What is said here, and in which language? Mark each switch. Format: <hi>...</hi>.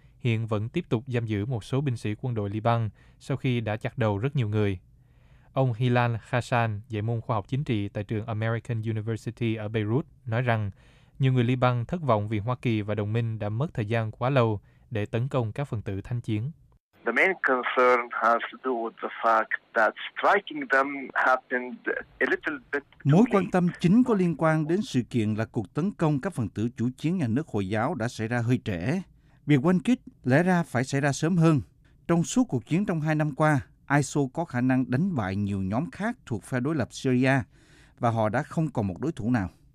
<vi>Hiện vẫn tiếp tục giam giữ một số binh sĩ quân đội Liban sau khi đã chặt đầu rất nhiều người. Ông Hilal Hassan, dạy môn khoa học chính trị tại trường American University ở Beirut, nói rằng nhiều người Liban thất vọng vì Hoa Kỳ và đồng minh đã mất thời gian quá lâu để tấn công các phần tử thanh chiến.</vi> <en>The main concern has to do with the fact that striking them happened a little bit.</en> <vi>Mối quan tâm chính có liên quan đến sự kiện là cuộc tấn công các phần tử chủ chiến nhà nước Hồi giáo đã xảy ra hơi trễ. Việc oanh kích lẽ ra phải xảy ra sớm hơn. Trong suốt cuộc chiến trong 2 năm qua, ISIL có khả năng đánh bại nhiều nhóm khác thuộc phe đối lập Syria và họ đã không còn một đối thủ nào.</vi>